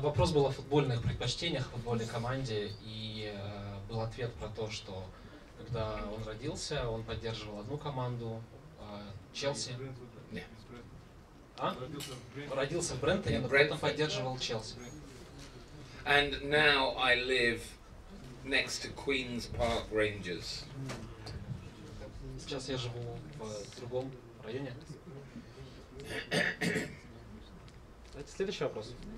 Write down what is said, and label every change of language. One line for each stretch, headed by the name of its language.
Russian: Вопрос был о футбольных предпочтениях, футбольной команде, и был ответ про то, что когда он родился, он поддерживал одну команду, Челси. Родился в Брентфорде, но при этом поддерживал Челси.
English: And now I live next to Queen's Park Rangers.
Russian: Сейчас я живу в другом районе. Давайте следующий вопрос.